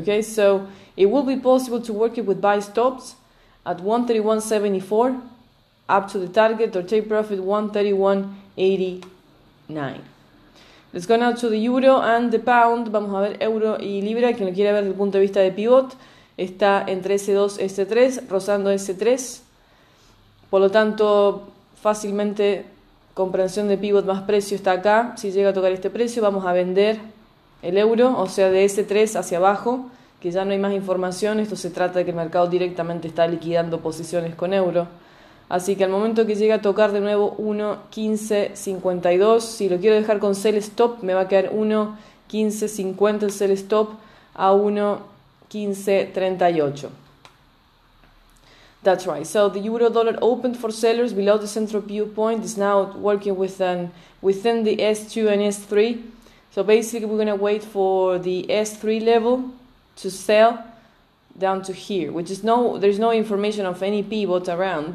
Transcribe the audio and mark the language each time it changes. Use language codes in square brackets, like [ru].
[en] Okay, so it will be possible to work it with buy stops at 1.3174 up to the target or take profit 1.3189. Let's go now to the euro and the pound. [es] Vamos a ver euro y libra. Quien lo quiera ver desde el punto de vista de pivot está entre S2 y S3, rozando S3. Por lo tanto, fácilmente. Comprensión de pivot más precio está acá. Si llega a tocar este precio, vamos a vender el euro, o sea, de S3 hacia abajo, que ya no hay más información. Esto se trata de que el mercado directamente está liquidando posiciones con euro. Así que al momento que llega a tocar de nuevo 1.1552, si lo quiero dejar con sell stop, me va a quedar 1.1550 el sell stop a 1.1538. [en] That's right. So the euro dollar opened for sellers below the central pivot point is now working within the S2 and S3. So basically, we're going to wait for the S3 level to sell down to here, which is no, there's no information of any pivot around.